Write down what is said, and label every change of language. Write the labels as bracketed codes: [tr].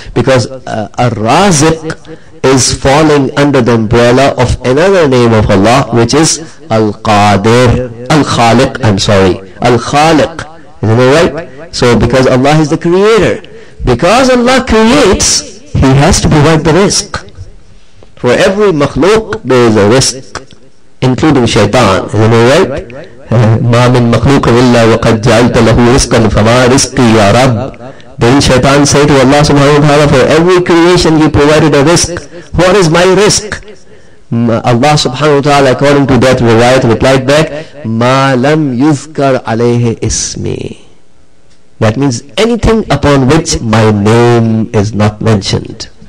[en] Because Ar-Raziq is falling under the umbrella of another name of Allah, which is Al-Qadir, Al-Khaliq, I'm sorry, Al-Khaliq. Isn't that right? So because Allah is the creator, because Allah creates, He has to provide the rizq. For every makhluk, there is a rizq, including shaitan. Isn't that right? [ar] ما من مخلوق إلا وقد جعلت له رزقا فما رزقي يا رب. [en] Then shaitan said to Allah subhanahu wa ta'ala, for every creation you provided a risk, what is my risk? Allah subhanahu wa ta'ala, according to that riwayat, replied back, [ar] ما لم يذكر عليه اسمي. [en] That means anything upon which my name is not mentioned.